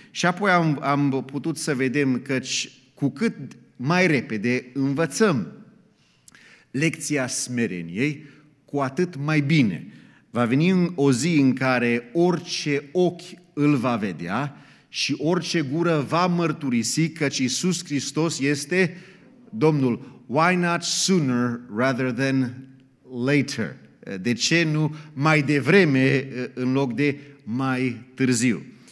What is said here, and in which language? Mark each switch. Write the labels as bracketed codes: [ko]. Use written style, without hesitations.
[ro] Și apoi am putut să vedem că cu cât mai repede învățăm lecția smereniei, cu atât mai bine. Va veni o zi în care orice ochi îl va vedea și orice gură va mărturisi că Iisus Hristos este Domnul. [en] Why not sooner rather than later? [ro] De ce nu mai devreme în loc de mai târziu?